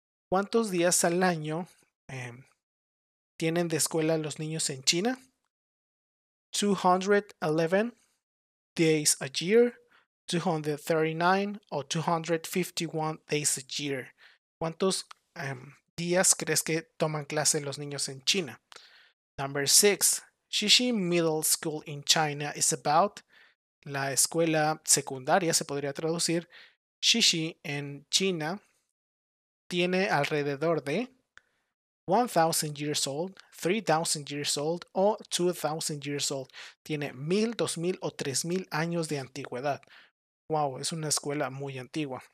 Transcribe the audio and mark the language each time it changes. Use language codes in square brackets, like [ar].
[es] ¿Cuántos días al año tienen de escuela los niños en China? [en] 211 days a year, 239 o 251 days a year. [es] ¿Cuántos días crees que toman clase los niños en China? [en] Number six, Xixi Middle School in China is about. [es] La escuela secundaria se podría traducir Xixi en China tiene alrededor de [en] 1000 years old, 3000 years old [es] o [en] 2000 years old. [es] Tiene 1000, 2000 o 3000 años de antigüedad. Wow, es una escuela muy antigua.